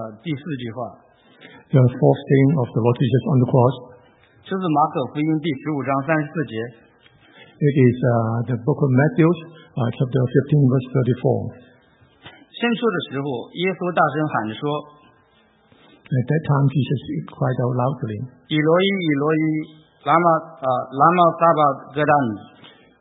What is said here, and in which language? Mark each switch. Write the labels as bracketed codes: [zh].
[en] The fourth thing of the Lord Jesus on the cross. [zh] 这是马可福音第十五章三十四节。 [en] It is the book of Matthew, chapter 15, verse 34. [zh] 先说的时候，耶稣大声喊着说。 [en] At that time, Jesus cried out loudly. [zh] 以罗伊，以罗伊，拉玛撒巴戈达尼。